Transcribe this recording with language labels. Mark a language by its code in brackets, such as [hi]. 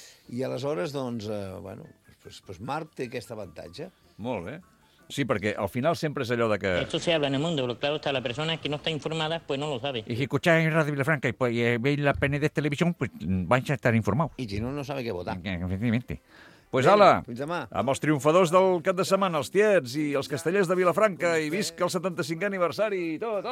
[ca] I aleshores, doncs, bueno, pues Marc té aquest avantatge. Molt bé. Sí, perquè al final sempre és allò de que... [es] Esto se habla en el mundo, pero claro, está la persona que no está informada, pues no lo sabe. Y si escucháis en Radio Villafranca y veis la PND de televisión, pues vais a estar informados. Y si no, no sabe qué votar. Efectivamente. [ca] Pues ala, amb els triomfadors del cap de setmana, els tiets i els castellers de Villafranca, i visca el 75è aniversari i tot.